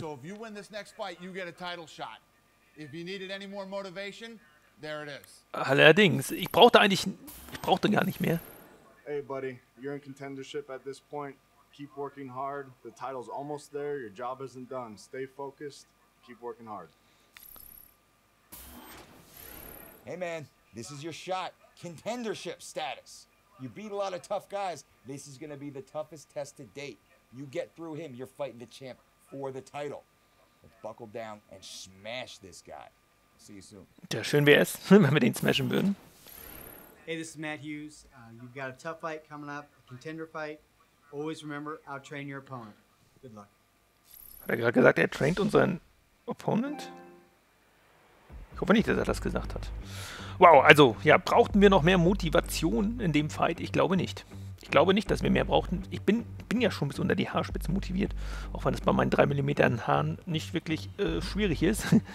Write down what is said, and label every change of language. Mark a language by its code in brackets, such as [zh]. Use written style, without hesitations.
[en] So if you win this next fight, you get a title shot. If you needed any more motivation, there it is. [de] Allerdings, ich brauchte gar nicht mehr. [en] Hey buddy, you're in contendership at this point. Keep working hard. The title's almost there. Your job isn't done. Stay focused. Keep working hard. Hey man, this is your shot. Contendership status. You beat a lot of tough guys. This is going to be the toughest test to date. You get through him, you're fighting the champ for the title. But buckle down and smash this guy. See you soon. [de] Ja, schön wäre es, wenn wir den smashen würden. [en] Hey, this is Matt Hughes. You've got a tough fight coming up, a contender fight. Always remember, out-train your opponent. Good luck. [de] Hat er gerade gesagt, er trainiert unseren Opponent? Ich hoffe nicht, dass er das gesagt hat. Wow, also, ja, brauchten wir noch mehr Motivation in dem Fight? Ich glaube nicht. Ich glaube nicht, dass wir mehr brauchten. Ich bin ja schon bis unter die Haarspitze motiviert. Auch wenn es bei meinen 3 mm Haaren nicht wirklich schwierig ist.